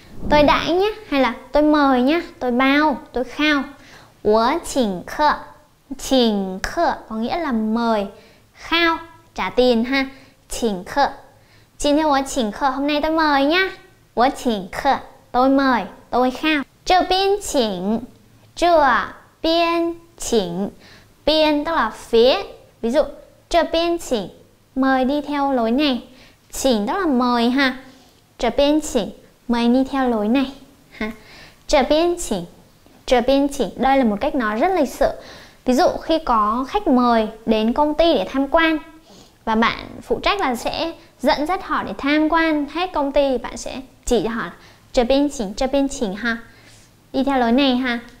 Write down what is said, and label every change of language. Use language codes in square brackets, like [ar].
[vi] Tôi đãi nhé, hay là tôi mời nhé, tôi bao, tôi khao. [zh] 我请客, 请客 [vi] có nghĩa là mời, khao, trả tiền ha. [zh] 请客, 今天我请客, [vi] hôm nay tôi mời nhé. [zh] 我请客, [vi] tôi mời, tôi khao. [zh] 这边请, 这边请, 边 [vi] tức là phía. Ví dụ, [zh] 这边请, [vi] mời đi theo lối này. 请 tức là mời ha. [zh] 这边请, [vi] mời đi theo lối này ha. [zh] 这边请, 这边请, [vi] đây là một cách nói rất lịch sự. Ví dụ khi có khách mời đến công ty để tham quan và bạn phụ trách là sẽ dẫn dắt họ để tham quan hết công ty, bạn sẽ chỉ cho họ [zh] 这边请, 这边请 [vi] ha. Đi theo lối này ha.